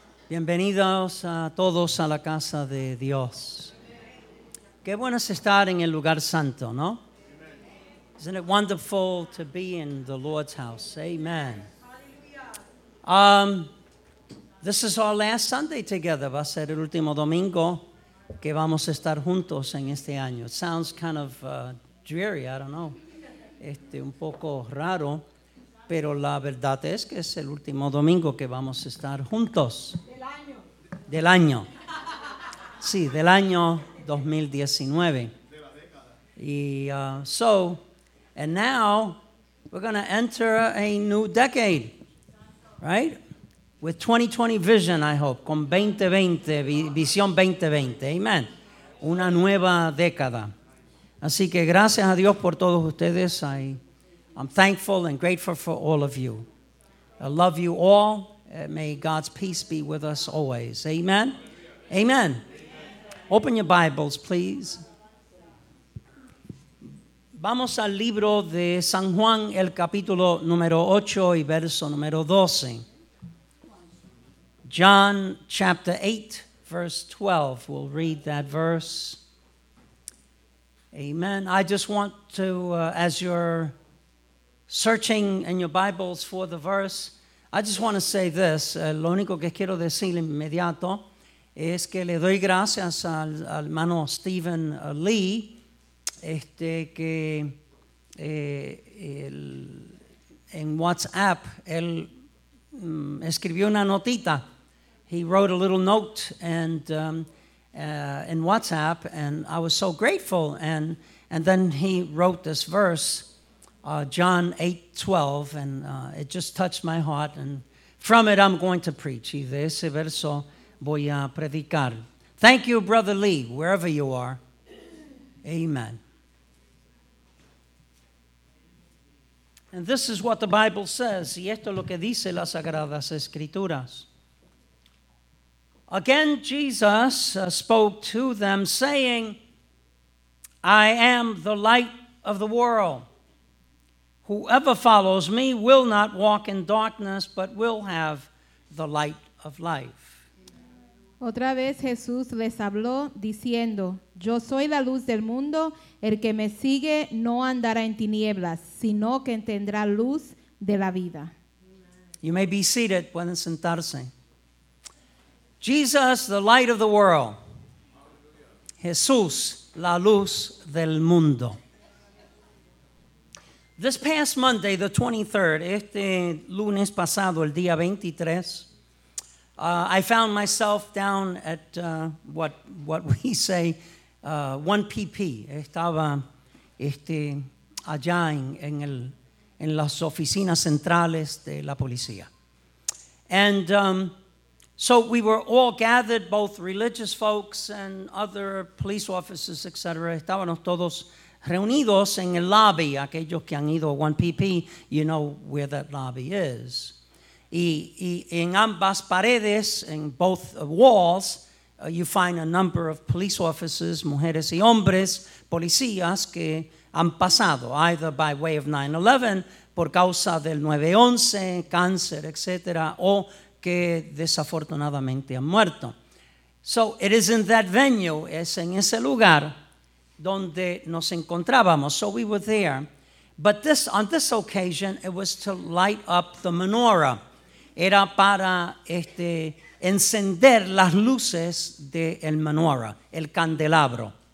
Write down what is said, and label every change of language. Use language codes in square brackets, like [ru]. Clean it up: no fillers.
[es] Bienvenidos a todos a la casa de Dios. Qué bueno es estar en el lugar santo, ¿no? [en] Isn't it wonderful to be in the Lord's house? Amen. This is our last Sunday together. [es] Va a ser el último domingo que vamos a estar juntos en este año. [en] It sounds kind of dreary, I don't know. [es] Un poco raro. Pero la verdad es que es el último domingo que vamos a estar juntos. Del año. Del año. Sí, del año 2019. De la década. [en] And now we're going to enter a new decade. Right? With 2020 vision, I hope. [es] Con 2020, visión 2020. [en] Amen. [es] Una nueva década. Así que gracias a Dios por todos ustedes. [en] I'm thankful and grateful for all of you. I love you all. May God's peace be with us always. Amen. Amen. Amen. Amen. Open your Bibles, please. [es] Vamos al libro de San Juan, el capítulo número 8 y verso número 12. [en] John chapter 8, verse 12. We'll read that verse. Amen. I just want to, as you're searching in your Bibles for the verse, I just want to say this. [es] Lo único que quiero decir inmediato es que le doy gracias al hermano Stephen Lee, que en WhatsApp él escribió una notita. [en] He wrote a little note in WhatsApp, and I was so grateful. And then he wrote this verse. John 8:12, and it just touched my heart, and from it I'm going to preach. [es] Y de ese verso voy a predicar. [en] Thank you, Brother Lee, wherever you are. Amen. And this is what the Bible says. [es] Y esto es lo que dice las Sagradas Escrituras. [en] Again, Jesus spoke to them, saying, I am the light of the world. Whoever follows me will not walk in darkness, but will have the light of life. [es] Otra vez Jesús les habló diciendo, Yo soy la luz del mundo, el que me sigue no andará en tinieblas, sino que tendrá luz de la vida. [en] You may be seated, [es] pueden sentarse. [en] Jesus, the light of the world. [es] Jesús, la luz del mundo. [en] This past Monday, the 23rd, [es] lunes pasado, el día 23, [en] I found myself down at what we say 1PP. [es] Estaba allá en las oficinas centrales de la policía. [en] And so we were all gathered, both religious folks and other police officers, etc. [es] Estábamos todos reunidos en el lobby. Aquellos que han ido a 1PP, [en] you know where that lobby is. [es] Y en ambas paredes, [en] in both walls, you find a number of police officers, [es] mujeres y hombres, policías que han pasado, [en] either by way of 9/11, [es] por causa del 9/11, cáncer, etc., o que desafortunadamente han muerto. [en] So it is in that venue, [es] es en ese lugar donde nos encontrábamos. [en] So we were there. But this, on this occasion, it was to light up the menorah. [es] Era para encender las luces de el menorah, el candelabro.